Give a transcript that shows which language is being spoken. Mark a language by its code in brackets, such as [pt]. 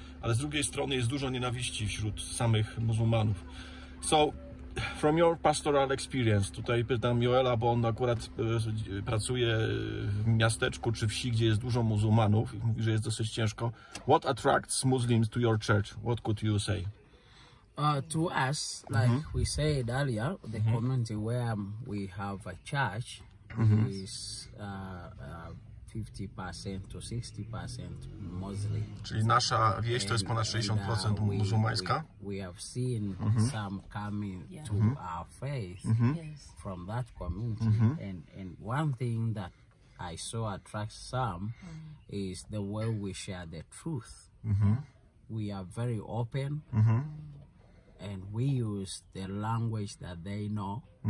[pl] Ale z drugiej strony jest dużo nienawiści wśród samych muzułmanów. [en] So, from your pastoral experience, [pl] tutaj pytam Joela, bo on akurat pracuje w miasteczku czy wsi, gdzie jest dużo muzułmanów i mówi, że jest dosyć ciężko. [en] What attracts Muslims to your church? What could you say? To us, like we said earlier, the community where we have a church is 50% to 60% Muslim. [pl] Czyli nasza wieś to jest ponad 60% muzułmańska. [en] We have seen some coming to our faith from that community. And one thing that I saw attracts some is the way we share the truth. We are very open. And we use the language that they know.